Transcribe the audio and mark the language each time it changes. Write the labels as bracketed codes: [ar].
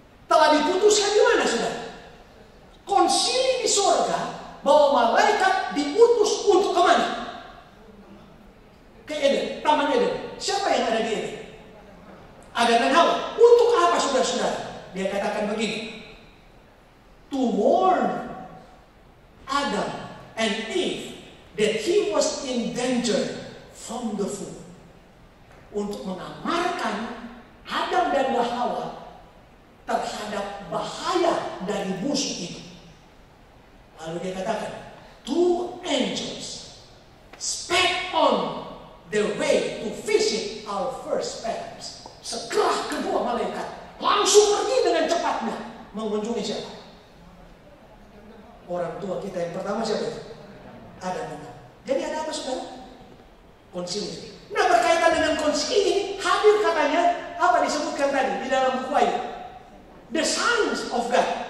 [id] Telah diputuskan di mana, Saudara? Konsili di surga, bahwa malaikat diutus untuk kemana? Ke Eden, Taman Eden. Siapa yang ada di Eden? Adam dan Hawa. Untuk apa, Saudara-saudara? Dia katakan begini, [en] to warn Adam and Eve that he was in danger from the fall. [id] Untuk mengamarkan Adam dan Hawa terhadap bahaya dari musuh itu. Lalu dia katakan, [en] two angels sped on their way to visit our first parents. [id] Sekelah kedua malaikat langsung pergi dengan cepatnya mengunjungi siapa? Orang tua kita yang pertama siapa? Adam dan Hawa. Jadi ada apa, Saudara? Konsili. Nah, berkaitan dengan konsil ini hadir katanya apa disebutkan tadi di dalam buku ayat, [en] the sons of God.